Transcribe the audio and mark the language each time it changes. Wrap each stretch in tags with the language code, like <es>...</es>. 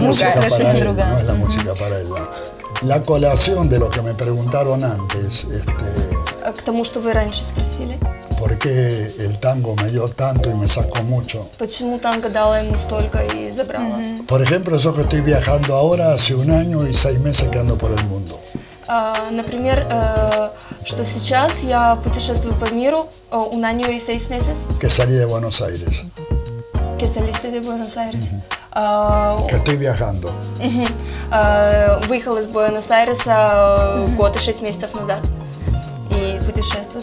<es>No es la música para ella. La colación de lo que me preguntaron antes,</es> <ru>К тому, что вы раньше спросили.</ru> <es>Porque el tango me dio tanto y me sacó mucho.</es> <ru>Почему танго дало ему столько и забрало?</ru> <es>Por ejemplo, eso que estoy viajando ahora hace un año y seis meses que ando por el mundo.</es> <ru>Например, что сейчас я путешествую по миру</ru> <es>un año y seis meses. Que salí de Buenos Aires. Que saliste de Buenos Aires. Que estoy viajando.</es> <ru>Выехал из Buenos Aires год и шесть месяцев назад и путешествую.</ru>